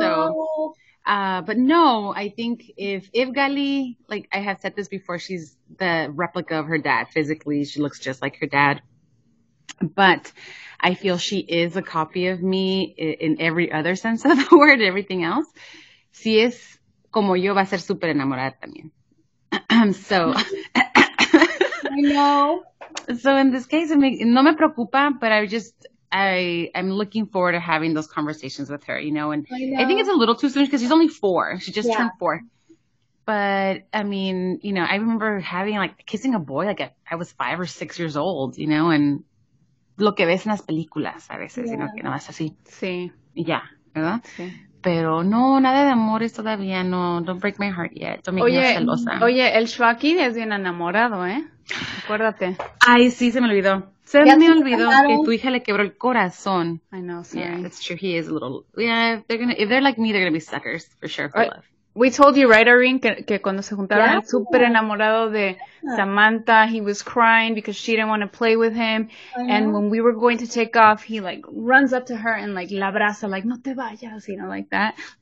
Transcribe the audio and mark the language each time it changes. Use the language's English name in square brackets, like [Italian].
[English] So But no, I think if Gali, like I have said this before, she's the replica of her dad. Physically, she looks just like her dad. But I feel she is a copy of me in every other sense of the word, everything else. [Spanish] Si es como yo, va a ser super enamorada también. [English] So, I know. So in this case, [Spanish] no me preocupa, [English] but I'm looking forward to having those conversations with her, you know, and I think it's a little too soon because she's only four. She just turned four. But I mean, you know, I remember kissing a boy, I was 5 or 6 years old, you know, and [Spanish] lo que ves en las películas a veces, [English] you know, [Spanish] que no es así. Sí. Yeah. ¿Verdad? Sí. Pero no, nada de amores todavía, no, [English] don't break my heart yet, don't make me [Spanish] celosa. Oye, el Joaquín es bien enamorado, ¿eh? Acuérdate. Ay, sí, se me olvidó. Se me olvidó que tu hija le quebró el corazón. [English] I know, sorry. Yeah, that's true, he is a little, yeah, if they're like me, they're gonna be suckers, for sure, for love. We told you, right, Irene, [Spanish] que cuando se juntaron, súper enamorado de Samantha, [English] he was crying because she didn't want to play with him, and when we were going to take off, he like runs up to her and like [Spanish] la abraza, [English] like, [Spanish] no te vayas, [English] you know, like that.